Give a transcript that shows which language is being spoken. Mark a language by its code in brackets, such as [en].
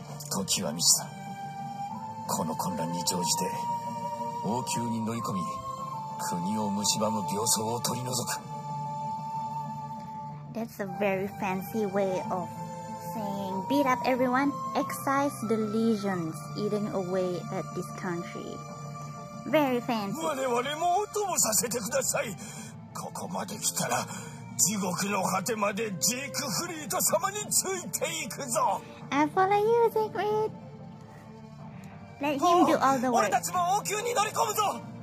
[ja] 時は満ちた。この混乱に乗じて王宮に乗り込み、国を蝕む病巣を取り除く。 [en] That's a very fancy way of saying beat up everyone, excise the legions eating away at this country. Very fancy. [ja] 我々もお供させてください。ここまで来たら地獄の果てまでジークフリート様についていくぞ。 [en] I follow you, Siegfried. Let him do all the work. [ja] 俺たちも王宮に乗り込むぞ。